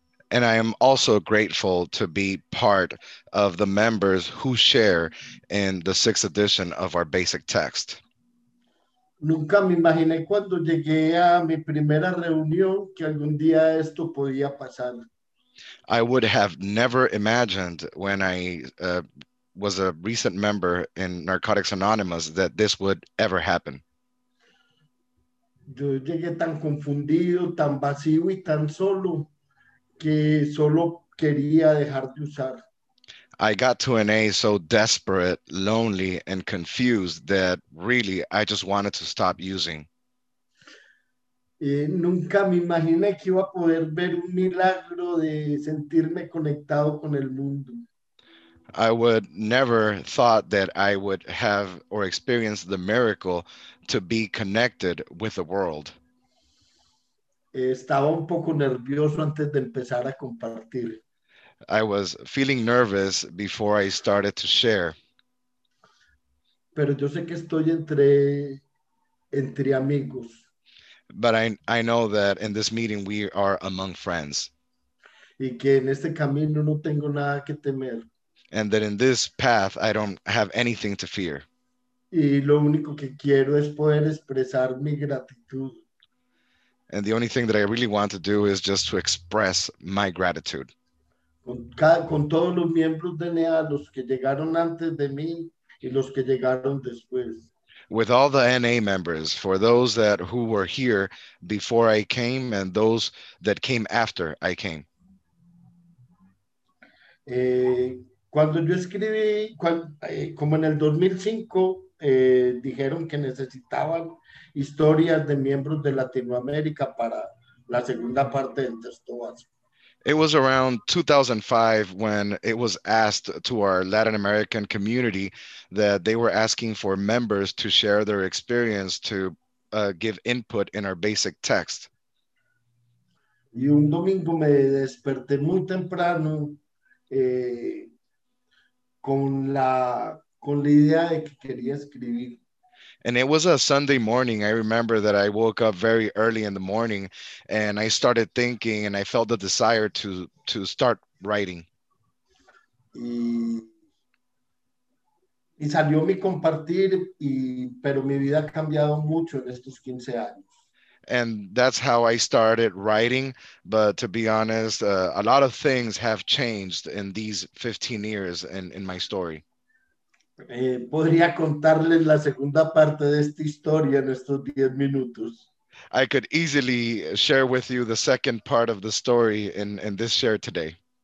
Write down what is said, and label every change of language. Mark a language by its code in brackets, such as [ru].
[en] And I am also grateful to be part of the members who share in the sixth edition of our basic text. [es] Nunca me imaginé cuando llegué a mi primera reunión que algún día esto podía pasar. [en] I would have never imagined when I was a recent member in Narcotics Anonymous that this would ever happen. [es] Yo llegué tan confundido, tan vacío y tan solo, que solo quería dejar de usar. [en] I got to NA so desperate, lonely, and confused that really I just wanted to stop using. [es] Nunca me imaginé que iba a poder ver un milagro de sentirme conectado con el mundo. [en] I would never thought that I would have or experience the miracle to be connected with the world. [es] Estaba un poco nervioso antes de empezar a compartir. [en] I was feeling nervous before I started to share. [es] Pero yo sé que estoy entre amigos. [en] But I know that in this meeting we are among friends. [es] Y que en este camino no tengo nada que temer. [en] And that in this path I don't have anything to fear. [es] Y lo único que quiero es poder expresar mi gratitud. [en] And the only thing that I really want to do is just to express my gratitude. [es] Con todos los miembros de NEA, los que llegaron antes de mí y los que llegaron después. [en] with all the NA members, for those that who were here before I came and those that came after I came. [es] Cuando yo escribí, como en el 2005, dijeron que necesitaban historias de miembros de Latinoamérica para la segunda parte del texto básico. [en] It was around 2005 when it was asked to our Latin American community that they were asking for members to share their experience to give input in our basic text. [es] Y un domingo me desperté muy temprano con la idea de que quería escribir. [en] And it was a Sunday morning. I remember that I woke up very early in the morning and I started thinking and I felt the desire to start writing. [es] Y salió mi compartir, pero mi vida ha cambiado mucho en estos 15 años. [en] And that's how I started writing. But to be honest, a lot of things have changed in these 15 years in my story. [es] Podría contarles la segunda parte de esta historia en estos 10 minutos. [en] I could easily share with you the second part of the story in this share today.